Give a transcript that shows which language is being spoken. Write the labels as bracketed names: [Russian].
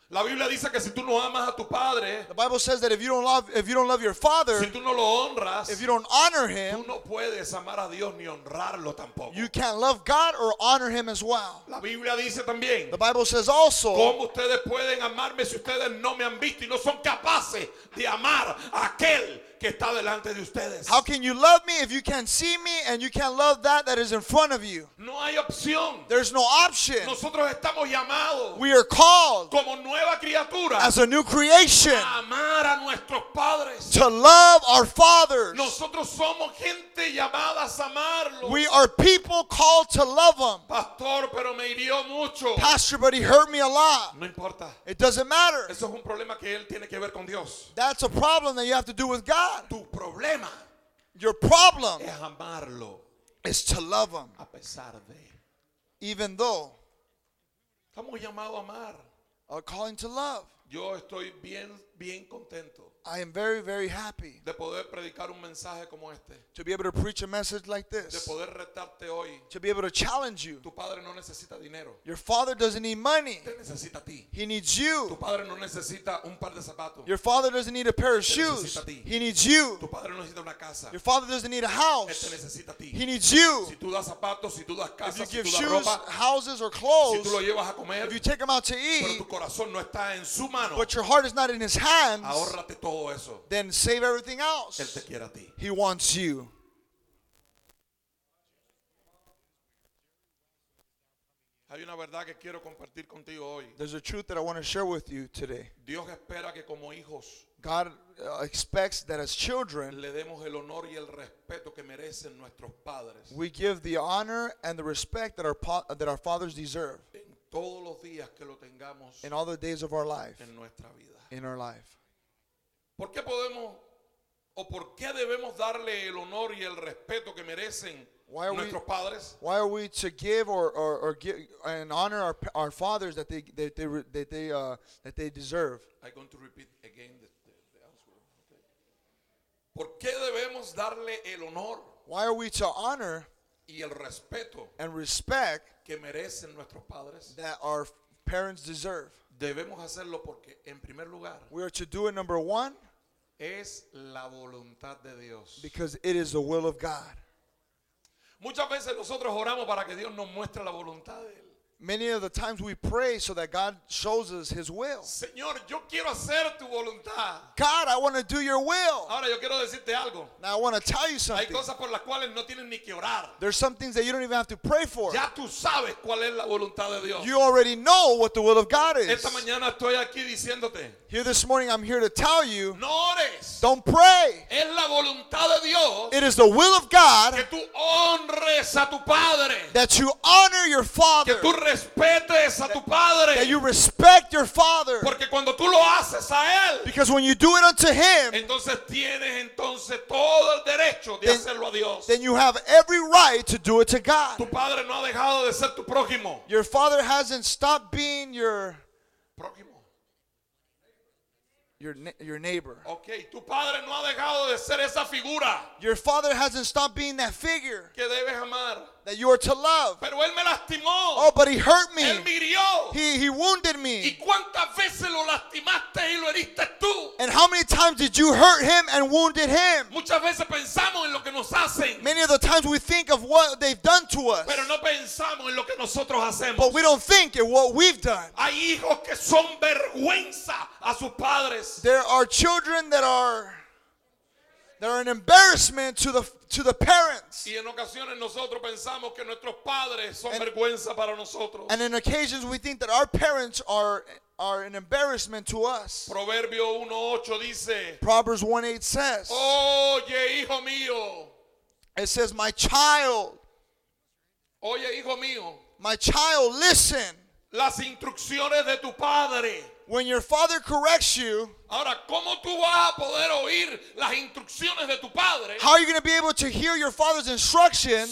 [Spanish] La Biblia dice que si tú no amas a tu padre, [English] the Bible says that if you don't love your father, [Spanish] si tú no lo honras, [English] if you don't honor him, [Spanish] tú no puedes amar a Dios ni honrarlo tampoco. [English] You can't love God or honor him as well. [Spanish] La Biblia dice también, [English] the Bible says also, [Spanish] ¿cómo ustedes pueden amarme si ustedes no me han visto y no son capaces de amar a aquel que está delante de ustedes? [English] How can you love me if you can't see me and you can't love that is in front of you? [Spanish] No hay opción. [English] There's no option. [Spanish] Nosotros estamos llamados. [English] We are called. [Spanish] Como nueva criatura. [English] As a new creation. [Spanish] A amar a nuestros padres. [English] To love our fathers. [Spanish] Nosotros somos gente llamada a amarlos. [English] We are people called to love them. [Spanish] Pastor, pero me hirió mucho. [English] Pastor, but he hurt me a lot. [Spanish] No importa. [English] It doesn't matter. [Spanish] Eso es un problema que él tiene que ver con Dios. [English] That's a problem that you have to do with God. [Spanish] Tu problema, [English] your problem, [Spanish] es amarlo, [English] is to love him, [Spanish] a pesar de, [English] even though, [Spanish] estamos llamados a amar, [English] a calling to love. [Spanish] Yo estoy bien, bien contento. [English] I am very, very happy [Spanish] de poder predicar un mensaje como este. [English] To be able to preach a message like this. [Spanish] De poder retarte hoy. [English] To be able to challenge you. [Spanish] Tu padre no necesita dinero. [English] Your father doesn't need money. [Spanish] Te necesita a ti. [English] He needs you. [Spanish] Tu padre no necesita un par de zapatos. [English] Your father doesn't need a pair of shoes. [Spanish] Te necesita a ti. [English] He needs you. [Spanish] Tu padre no necesita una casa. [English] Your father doesn't need a house. [Spanish] Él te necesita a ti. [English] He needs you. [Spanish] Si tú das zapatos, si tú das casa, [English] if you give [Spanish] si tú [English] shoes, [Spanish] ropa, [English] houses, or clothes, [Spanish] si tú lo llevas a comer, [English] if you take them out to eat, [Spanish] pero tu corazón no está en su mano, [English] but your heart is not in his hands, [Spanish] ahórrate todo. [English] Then save everything else. [Spanish] Él te quiere a ti. [English] He wants you. [Spanish] Hay una verdad que quiero compartir contigo hoy. [English] There's a truth that I want to share with you today. [Spanish] Dios espera que como hijos, [English] God expects that as children, [Spanish] le demos el honor y el respeto que merecen nuestros padres. [English] We give the honor and the respect that our fathers deserve. [Spanish] En todos los días que lo tengamos, [English] in all the days of our life, [Spanish] en nuestra vida, [English] in our life. [Spanish] ¿Por qué podemos o por qué debemos darle el honor y el respeto que merecen [English] Why are [Spanish] nuestros padres? [English] Why are we to give or give and honor our fathers that they deserve? I'm going to repeat again the answer. Okay. [Spanish] ¿Por qué debemos darle el honor? [English] Why are we to honor [Spanish] y el respeto [English] and respect [Spanish] que merecen nuestros padres? [English] That our parents deserve. [Spanish] Debemos hacerlo porque en primer lugar, [English] we are to do it, number one, [Spanish] es la voluntad de Dios. [English] Because it is the will of God. [Spanish] Muchas veces nosotros oramos para que Dios nos muestre la voluntad de él. [English] Many of the times we pray so that God shows us his will. [Spanish] Señor, yo quiero hacer tu voluntad. [English] God, I want to do your will. [Spanish] Ahora yo quiero decirte algo. [English] Now I want to tell you something. [Spanish] Hay cosas por las cuales no tienes ni que orar. [English] There's some things that you don't even have to pray for. [Spanish] Ya tú sabes cuál es la voluntad de Dios. [English] You already know what the will of God is. [Spanish] Esta mañana estoy aquí diciéndote. [English] Here this morning I'm here to tell you. [Spanish] No ores. [English] Don't pray. [Spanish] Es la voluntad de Dios. [English] It is the will of God. [Spanish] Que tú honres a tu padre. [English] That you honor your father. [Spanish] Que tú respetes a tu padre. [English] That you respect your father. [Spanish] Porque cuando tú lo haces a él. [English] Because when you do it unto him. [Spanish] Entonces tienes entonces todo el derecho de hacerlo a Dios. [English] Then you have every right to do it to God. [Spanish] Tu padre no ha dejado de ser tu prójimo. [English] Your father hasn't stopped being your [Spanish] prójimo. [English] Your neighbor. [Spanish] Okay, tu padre no ha dejado de ser esa figura. [English] Your father hasn't stopped being that figure [Spanish] que debes amar. [English] That you are to love. [Spanish] Pero él me lastimó. [English] Oh, but he hurt me. [Spanish] Él me hirió. [English] He wounded me. [Spanish] ¿Y cuántas veces lo lastimaste y lo heriste tú? [English] And how many times did you hurt him and wounded him? [Spanish] Muchas veces pensamos en lo que nos hacen. [English] Many of the times we think of what they've done to us. [Spanish] Pero no pensamos en lo que nosotros hacemos. [English] But we don't think of what we've done. [Spanish] Hay hijos que son vergüenza a sus padres. [English] There are children that are an embarrassment to the parents. [Spanish] Y en ocasiones nosotros pensamos que nuestros padres son vergüenza para nosotros. [English] And in occasions we think that our parents are an embarrassment to us. [Spanish] Proverbio 1:8 dice. [English] Proverbs 1:8 says. [Spanish] Oye, hijo mío. [English] It says, my child. [Spanish] Oye, hijo mío. [English] My child, listen. [Spanish] Las instrucciones de tu padre. [English] When your father corrects you, [Spanish] ahora, ¿cómo tú vas a poder oír las instrucciones de tu padre? [English] How are you going to be able to hear your father's instructions